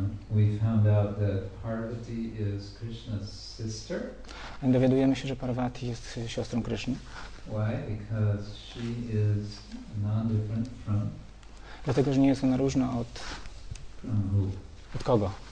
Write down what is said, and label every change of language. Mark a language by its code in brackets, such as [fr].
[en] We found out that Parvati is Krishna's sister. [pl] I dowiadujemy się, że Parvati jest siostrą Kryszny. [en] Why? Because she is non-different from [pl] Dlatego, że nie jest ona różna od... Od kogo?